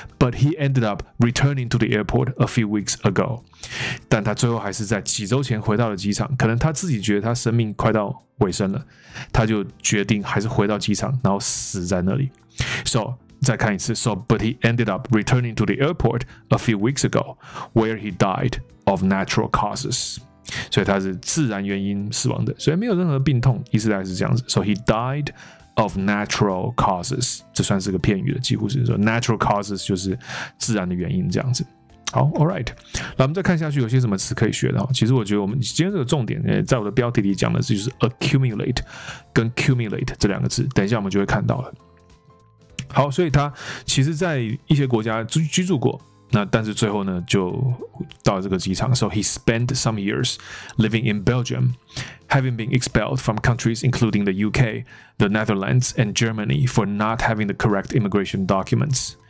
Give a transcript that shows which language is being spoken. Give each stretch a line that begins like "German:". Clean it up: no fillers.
English: But he ended up returning to the airport a few weeks ago.
Chinese: 但他最后还是在几周前回到了机场，可能他自己觉得他生命快到尾声了，他就决定还是回到机场，然后死在那里。 So, 再看一次。
English: So, but he ended up returning to the airport a few weeks ago, where he died of natural causes.
Chinese: 所以他是自然原因死亡的，所以没有任何病痛，意思大概是这样子。
English: So he died of natural causes，
Chinese: 这算是个片语的，几乎是说 natural causes 就是自然的原因这样子。好 ，
English: All right，
Chinese: 那我们再看下去有些什么词可以学的。其实我觉得我们今天这个重点，在我的标题里讲的是就是 accumulate 跟 cumulate 这两个字，等一下我们就会看到了。好，所以他其实在一些国家居住过。那但是最后呢，就到这个机场。
English: So he spent some years living in Belgium, having been expelled from countries including the UK, the Netherlands, and Germany for not having the correct immigration documents.